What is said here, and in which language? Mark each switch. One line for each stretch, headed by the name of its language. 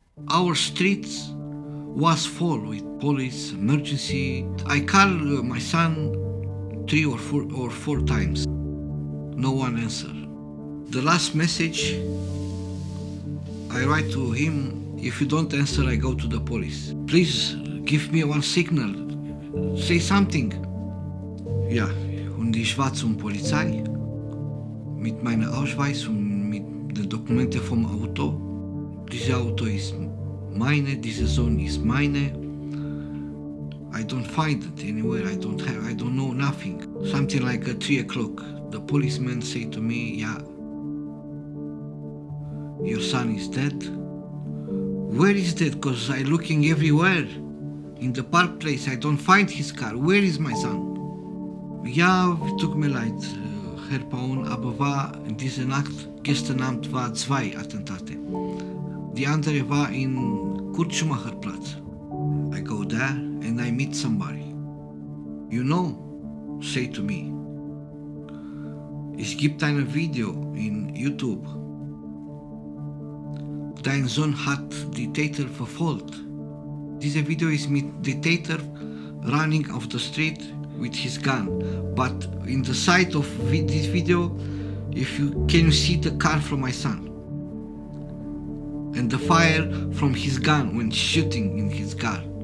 English: Our streets was full with police, emergency. I call my son three or four times. No one answer. The last message, I write to him, if you don't answer, I go to the police. Please give me one signal. Say something.
German: Ja, und ich war zum Polizei mit meinem Ausweis und mit den Dokumenten vom Auto. Dieses Auto ist meine, diese Sohn ist meine.
English: I don't find it anywhere. I don't know nothing. Something like at 3 o'clock. The policeman say to me, ja, your son is dead. Where is that? Because I'm looking everywhere. In the park place, I don't find his car. Where is my son? Yeah, we took me light.
German: Her Paun, aber war in dieser Nacht, gestern Abend war zwei Attentate. Die andere war in Kurt Schumacher Platz.
English: I go there and I meet somebody. You know, say to me.
German: Es gibt ein Video in YouTube. Dein Sohn hat die Täter verfolgt. Dieses Video ist mit dem Täter running auf der Street mit
English: his gun. But in the side of this video, if you can you see the car from my son and the fire from his gun when shooting in his car.